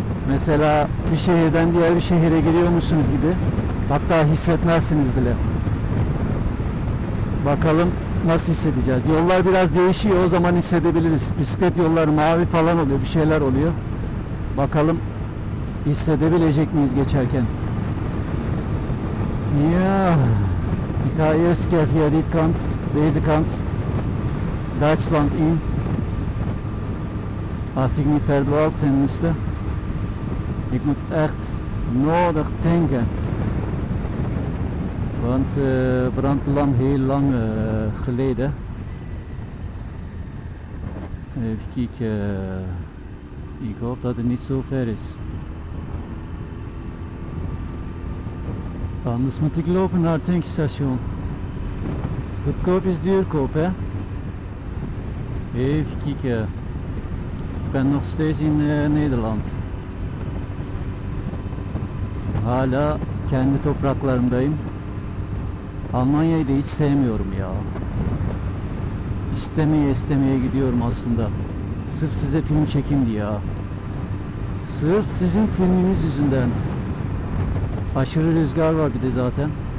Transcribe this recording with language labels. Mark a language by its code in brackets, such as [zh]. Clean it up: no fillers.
[tr] Mesela bir şehirden diğer bir şehire giriyormuşsunuz gibi. Hatta hissetmezsiniz bile. Bakalım nasıl hissedeceğiz. Yollar biraz değişiyor, o zaman hissedebiliriz. Bisiklet yolları mavi falan oluyor, bir şeyler oluyor. Bakalım hissedebilecek miyiz geçerken? [nl] Ja, ik ga eerst een keer via dit kant, deze kant, Duitsland in. Als ik niet verdwaal tenminste. Ik moet echt nodig tanken. Want brandlamp heel lang geleden. Even kijken. Ik hoop dat het niet zo ver is. Anders moet ik lopen naar het tankstation. Goedkoop is duurkoop, hè? Even kijken. Ik ben nog steeds in Nederland. [tr] Hala kendi topraklarımdayım. Almanya'yı da hiç sevmiyorum ya. İstemeye istemeye gidiyorum aslında. Sırf size film çekeyim diye. Sırf sizin filminiz yüzünden. Aşırı rüzgar var bir de zaten.